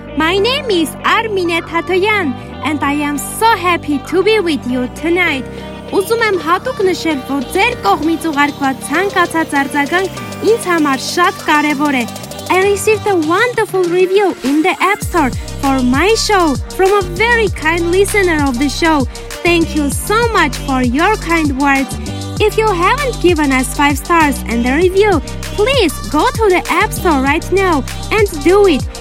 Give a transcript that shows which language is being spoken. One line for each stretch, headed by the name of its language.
English: My name is Armine Tatoyan and I am so happy to be with you tonight.
Armenian: Ուզում եմ հատուկ նշել, որ ձեր կողմից ուղարկված ցանկացած արձագանք ինձ համար շատ կարևոր է.
English: I received a wonderful review in the App Store for my show from a very kind listener of the show. Thank you so much for your kind words. If you haven't given us 5 stars and a review, please go to the App Store right now and do it.